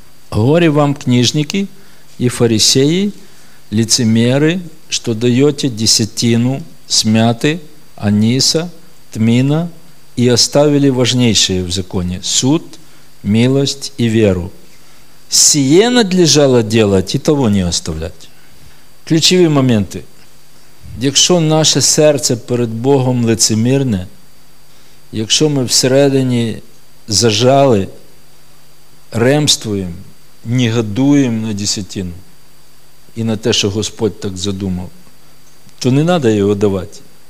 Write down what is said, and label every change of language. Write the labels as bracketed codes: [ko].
[uk] Горе вам, книжники і фарисеї, лицемери, що даєте десятину з мяти, аніса, тміна, і оставили важніше в законі – суд, [ru] милость и веру. Сие надлежало делать, и того не оставлять. [uk] Ключові моменти. Якщо наше серце перед Богом лицемірне, якщо ми всередині зажали, ремствуємо, негодуємо на десятину і на те, що Господь так задумав, то не треба його давати.